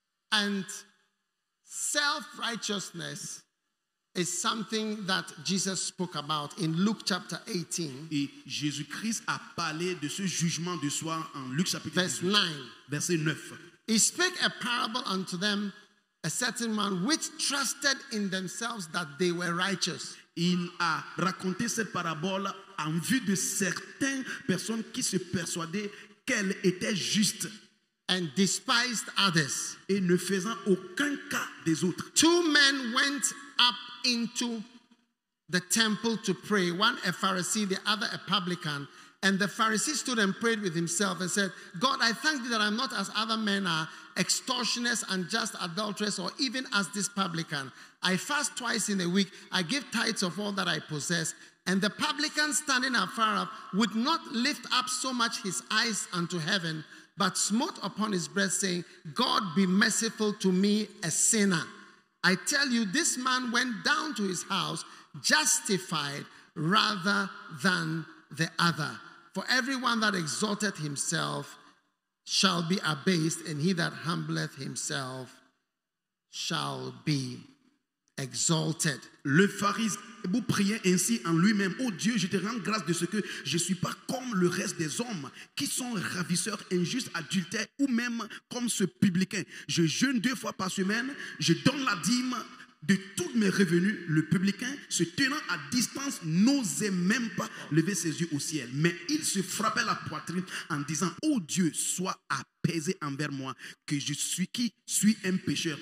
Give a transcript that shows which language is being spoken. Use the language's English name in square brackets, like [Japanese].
[English] and self-righteousness is something that Jesus spoke about in Luke chapter 18. [French] Et Jésus-Christ a parlé de ce jugement de soi en Luc chapitre [English] 18, verse 9. [French] Verset 9. [English] He spake a parable unto them, a certain man which trusted in themselves that they were righteous. [French] Il a raconté cette parabole en vue de certaines personnes qui se persuadaient qu'elles étaient justes. [English] And despised others. [French] Et ne faisant aucun cas des autres. [English] Two men went up into the temple to pray. One a Pharisee, the other a publican. And the Pharisee stood and prayed with himself and said, God, I thank thee that I'm not as other men are, extortionists, unjust, adulterers, or even as this publican. I fast twice in a week. I give tithes of all that I possess. And the publican, standing afar off, would not lift up so much his eyes unto heaven, but smote upon his breast, saying, God, be merciful to me, a sinner. I tell you, this man went down to his house justified rather than the other. For everyone that exalteth himself shall be abased, and he that humbleth himself shall be exalted. [French] Le pharisien vous priait ainsi en lui-même, ô Dieu, je te rends grâce de ce que je ne suis pas comme le reste des hommes qui sont ravisseurs, injustes, adultères, ou même comme ce publicain. Je jeûne deux fois par semaine, je donne la dîme de tous mes revenus. Le publicain, se tenant à distance, n'osait même pas lever ses yeux au ciel, mais il se frappait la poitrine en disant, ô Dieu, sois apaisé envers moi, que je suis qui suis un pécheur.